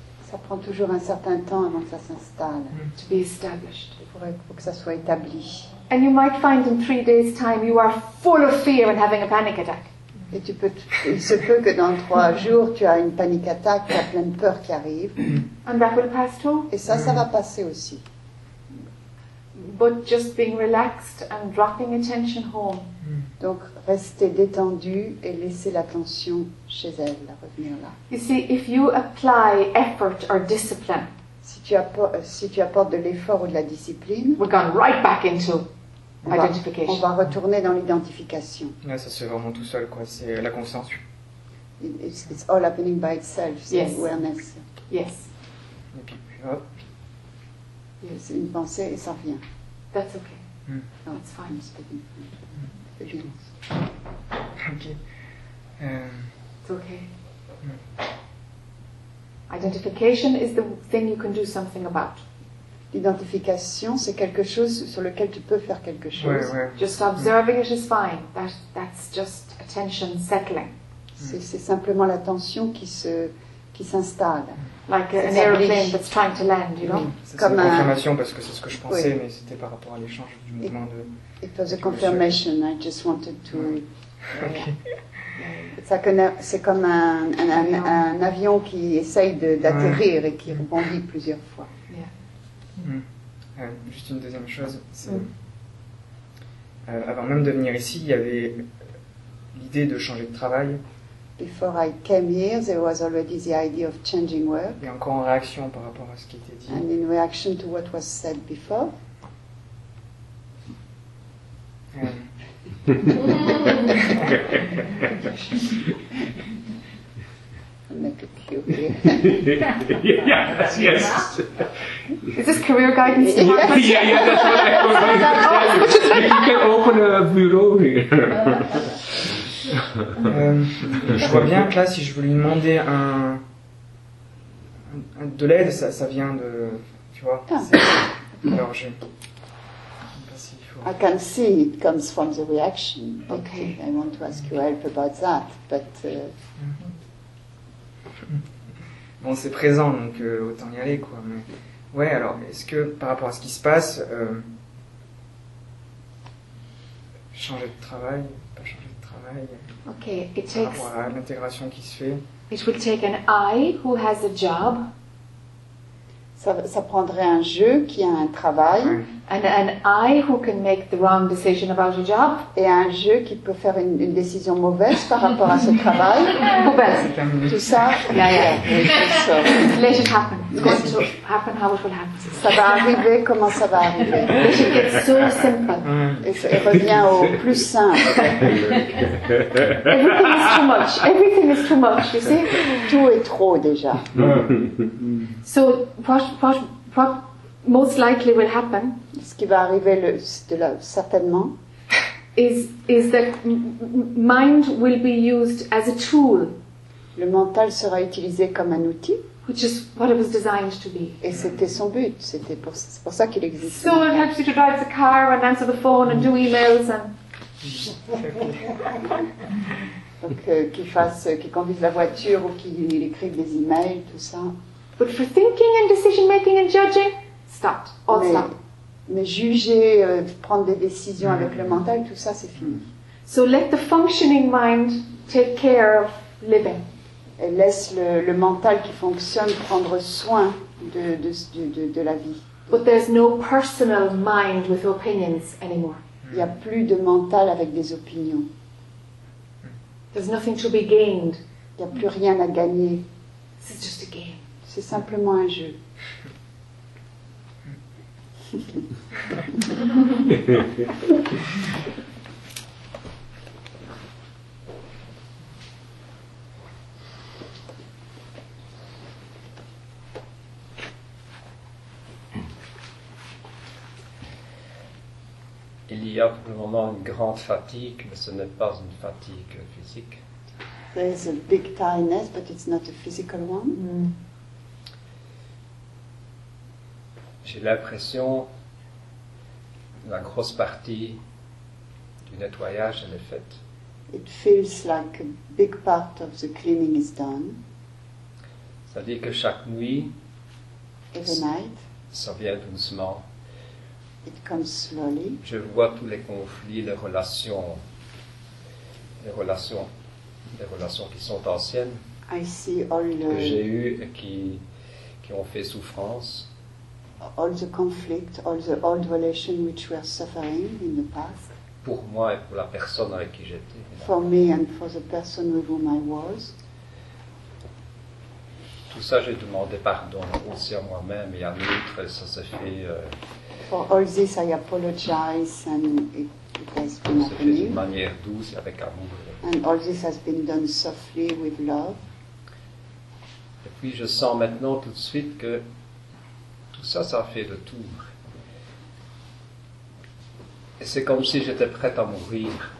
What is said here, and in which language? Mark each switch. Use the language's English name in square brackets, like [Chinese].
[French] Ça prend toujours un certain temps avant que ça s'installe. [English] Mm. To be established. [French] Pour que ça soit établi. [English] And you might find in 3 days' time you are full of fear and having a panic attack. [French] Et tu peux il se peut que dans 3 jours, tu as une panique attaque, tu as plein de peur qui arrive. [English] And that will pass too. [French] Et ça va passer aussi. [English] But just being relaxed and dropping attention home. [French] Donc, rester détendu et laisser l'attention chez elle, la revenir là. [English] You see, if you apply effort or discipline, [French] si tu apportes de l'effort ou de la discipline, [English] we're going right back into identification. [French] On va retourner dans l'identification. Là, ça se fait vraiment tout seul, quoi. C'est la conscience. [English] It's all happening by itself. It's yes. Awareness. Yes. [French] Et puis, hop. [English] Yes, [French] une pensée et ça revient. [English] That's okay. Mm. No, it's fine. It's good. Mm. Okay. It's okay. Mm. Identification is the thing you can do something about. [French] identification, c'est quelque chose sur lequel tu peux faire quelque chose. Oui, oui. [English] Just observing it is fine. That's just attention settling. [French] C'est simplement la tension qui s'installe. [English] Like an aeroplane that's trying to land, you know? [French] C'est comme une confirmation, parce que c'est ce que je pensais, mais c'était par rapport à l'échange du mouvement de... [English] It was a confirmation, I just wanted to... [French] Oui. [English] Ok. [French] C'est comme un avion qui essaye d'atterrir et qui rebondit plusieurs fois. [English] Yeah. [French] Mm. Juste une deuxième chose. C'est, avant même de venir ici, il y avait l'idée de changer de travail. [English] Before I came here, there was already the idea of changing work. [French] Et encore en réaction par rapport à ce qui était dit. [English] And in reaction to what was said before. Make a cue here. Yes. Is this career guidance department? Yeah, yeah, yeah, that's what I was going to tell you. You can open a bureau here. [French] Je vois bien que là, si je veux lui demander de l'aide, ça vient de, tu vois. Alors j'ai. [English] I can see it comes from the reaction. Okay. I want to ask your help about that, but. [French] Bon, c'est présent, donc autant y aller, quoi. Mais ouais, alors, est-ce que par rapport à ce qui se passe, changer de travail, pas changer de travail. [English] Okay, it takes. [French] Par rapport à l'intégration qui se fait. [English] It would take an I who has a job. [French] Ça prendrait un jeu qui a un travail. [English] An I who can make the wrong decision about a job. [French] Et un jeu qui peut faire une décision mauvaise par rapport à ce travail. Mauvaise. Tout ça. [English] Yeah, yeah. So. Let it happen. It's going to happen how it will happen. [French] Ça va arriver comment ça va arriver. [English] Let it get so simple. [French] Et revient au plus simple. [English] Everything is too much. Everything is too much, you see. [French] Tout est trop déjà. [English] So, what most likely will happen, [French] ce qui va arriver certainement, [English] is that mind will be used as a tool. [French] Le mental sera utilisé comme un outil. [English] Which is what it was designed to be. [French] Et c'était son but. C'était pour ça qu'il existe. [English] So it helps you to drive the car and answer the phone and do emails and. [French] Donc qu'il conduise la voiture ou qu'il écrive des emails, tout ça. [English] But for thinking and decision making and judging, stop. All stop. [French] Mais juger, prendre des décisions avec le mental, tout ça, c'est fini. [English] So let the functioning mind take care of living. [French] Et laisse le mental qui fonctionne prendre soin de la vie. [English] But there's no personal mind with opinions anymore. [French] Il y a plus de mental avec des opinions. [English] There's nothing to be gained. [French] Il y a plus rien à gagner. [English] It's just a game. [French] C'est simplement un jeu. Il y a pour le moment une grande fatigue, mais ce n'est pas une fatigue physique. [English] There is a big tiredness, but it's not a physical one. Mm. [French] J'ai l'impression la grosse partie du nettoyage elle est faite. [English] It feels like a big part of the cleaning is done. [French] Ça veut dire que chaque nuit, [English] every night, [French] ça vient doucement. [English] It comes slowly. [French] Je vois tous les conflits, les relations qui sont anciennes. [English] I see all the... [French] que j'ai eu et qui ont fait souffrance. [English] All the conflict, all the old relations which were suffering in the past. [French] Pour moi et pour la personne avec qui j'étais. [English] For me and for the person with whom I was. [French] Tout ça, j'ai demandé pardon aussi à moi-même et à l'autre, et ça s'est fait. [English] For all this, I apologize and it has been happening. [French] C'est fait d'une manière douce et avec amour. [English] And all this has been done softly with love. [French] Et puis je sens maintenant tout de suite que. Tout ça, ça fait le tour. Et c'est comme si j'étais prête à mourir.